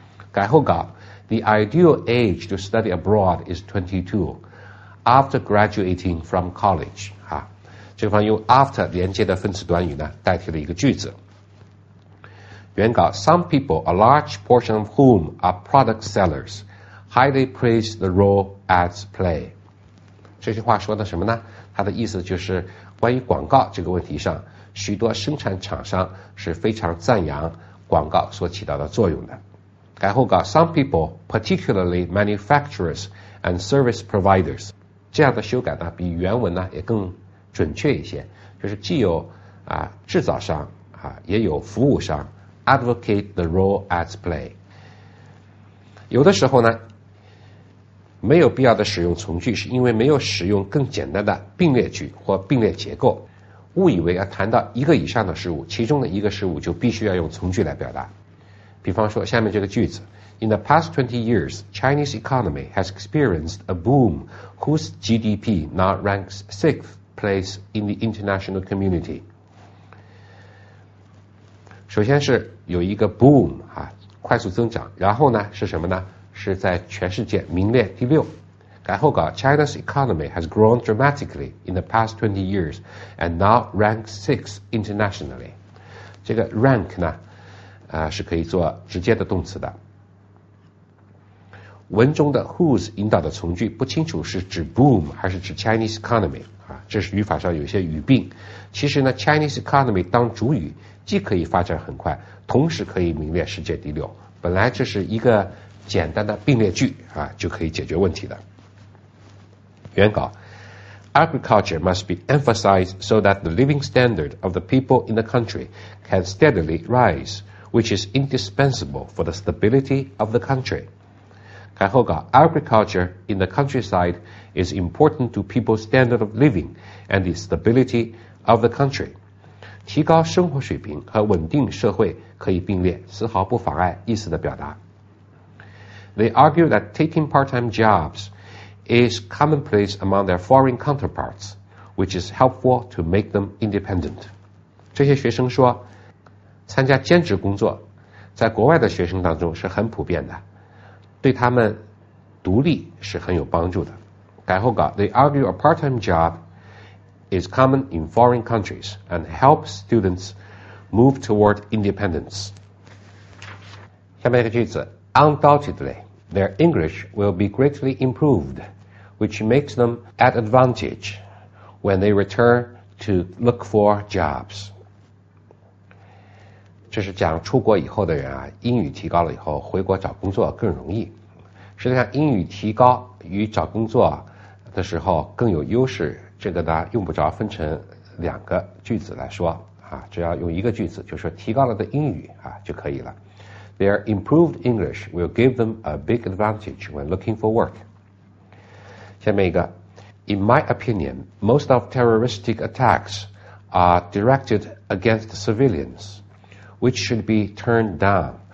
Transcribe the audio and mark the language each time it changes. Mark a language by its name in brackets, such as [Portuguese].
[Chinese] 改后稿， [English] The ideal age to study abroad is 22, after graduating from college. [Chinese] 啊，这方用 after 连接的分词短语呢代替了一个句子。原稿， [English] Some people, a large portion of whom are product sellers, highly praise the role ads play. [Chinese] 这句话说的什么呢？它的意思就是关于广告这个问题上，许多生产厂商是非常赞扬广告所起到的作用的。改后稿， [English] Some people, particularly manufacturers and service providers. [Chinese] 这样的修改呢比原文呢也更准确一些，就是既有制造商也有服务商， [English] Advocate the role ads play. [Chinese] 有的时候呢没有必要的使用从句，是因为没有使用更简单的并列句或并列结构，误以为要谈到一个以上的事物，其中的一个事物就必须要用从句来表达。比方说下面这个句子， [English] In the past 20 years, Chinese economy has experienced a boom whose GDP now ranks 6th place in the international community. [Chinese] 首先是有一个 boom 啊，快速增长，然后呢是什么呢？是在全世界名列第六。改后稿， [English] China's economy has grown dramatically in the past 20 years and now ranks 6th internationally. [Chinese] 这个 rank 呢是可以做直接的动词的。文中的 whose 引导的从句不清楚是指 boom 还是指 Chinese economy 啊，这是语法上有些语病。其实呢 Chinese economy 当主语既可以发展很快，同时可以名列世界第六，本来这是一个简单的并列句啊，就可以解决问题的。原稿 [English] Agriculture must be emphasized so that the living standard of the people in the country can steadily rise, which is indispensable for the stability of the country. [Chinese] 然后稿 [English] Agriculture in the countryside is important to people's standard of living and the stability of the country. [Chinese] 提高生活水平和稳定社会可以并列，丝毫不妨碍意思的表达。 [English] They argue that taking part-time jobs is commonplace among their foreign counterparts, which is helpful to make them independent. [Chinese] 这些学生说，参加兼职工作在国外的学生当中是很普遍的，对他们独立是很有帮助的。改后稿 [English] They argue a part-time jobis common in foreign countries and help students move toward independence. [Chinese] 下面一个句子 [English] Undoubtedly, their English will be greatly improved, which makes them at advantage when they return to look for jobs. [Chinese] 这是讲出国以后的人啊，英语提高了以后回国找工作更容易。实际上英语提高与找工作的时候更有优势，这个呢用不着分成两个句子来说啊，只要用一个句子，就是提高了的英语啊就可以了。 [English] Their improved English will give them a big advantage when looking for work. [Chinese] 下面一个 [English] In my opinion, most of terroristic attacks are directed against civilians, which should be turned down.